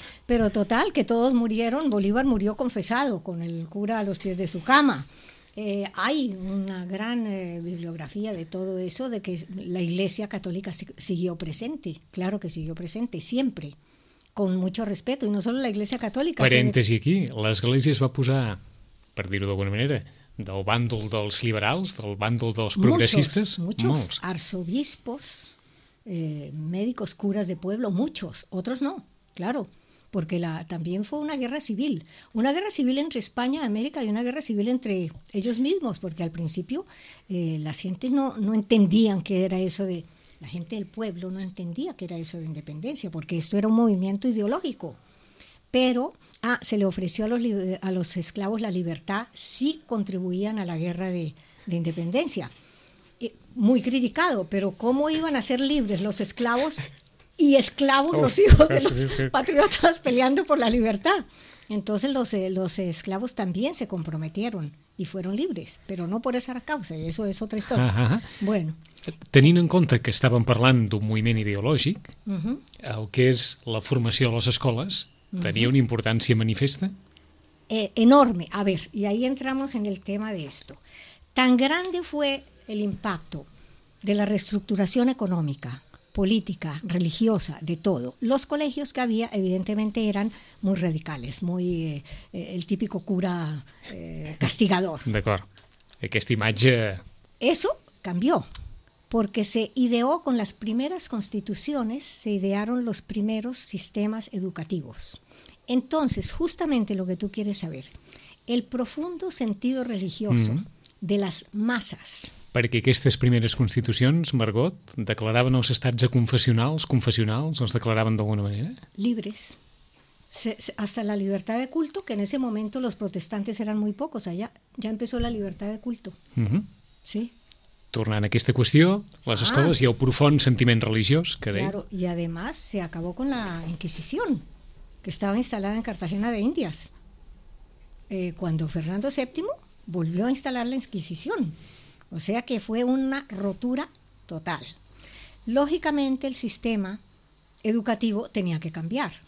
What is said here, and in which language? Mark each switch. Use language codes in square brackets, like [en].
[es] Pero total, que todos murieron. Bolívar murió confesado con el cura a los pies de su cama. Hay una gran bibliografía de todo eso, de que la Iglesia Católica siguió presente. Claro que siguió presente, siempre, con mucho respeto. Y no solo la Iglesia Católica. Paréntesis aquí. [ca] L'Església es va posar, per dir-ho d'alguna manera, del bàndol dels liberals, del bàndol dels progressistes. [es] Muchos arzobispos. Médicos, curas de pueblo, muchos, otros no, claro, porque también fue una guerra civil entre España y América y una guerra civil entre ellos mismos, porque al principio las gentes no entendían qué era eso de, la gente del pueblo no entendía qué era eso de independencia, porque esto era un movimiento ideológico, pero se le ofreció a los esclavos la libertad si contribuían a la guerra de independencia. Muy criticado, pero ¿cómo iban a ser libres los esclavos y esclavos los hijos de los patriotas peleando por la libertad? Entonces los esclavos también se comprometieron y fueron libres, pero no por esa causa, y eso es otra historia. Ajá. Bueno. [ca] Tenint en compte que estàvem parlant d'un moviment ideològic, el que és la formació a les escoles, tenia una importància manifesta? [es] Enorme. A ver, y ahí entramos en el tema de esto. Tan grande fue el impacto de la reestructuración económica política, religiosa, de todo. Los colegios que había, evidentemente, eran muy radicales, muy el típico cura castigador. [ca] D'acord. Aquesta imatge... [es] Eso cambió, porque se ideó con las primeras constituciones, se idearon los primeros sistemas educativos. Entonces, justamente lo que tú quieres saber, el profundo sentido religioso de las masas... [ca] Perquè aquestes primeres constitucions, Margot, declaraven els estats aconfessionals, confessionals, els declaraven d'alguna manera? [es] Libres. Hasta la libertad de culto, que en ese momento los protestantes eran muy pocos allá, ya empezó la libertad de culto. Uh-huh. Sí. [ca] Tornant a aquesta qüestió, les escoles hi ha el profund sentiment religiós. [es] Que claro, y además se acabó con la Inquisición, que estaba instalada en Cartagena de Indias, cuando Fernando VII volvió a instalar la Inquisición. O sea que fue una rotura total. Lógicamente el sistema educativo tenía que cambiar.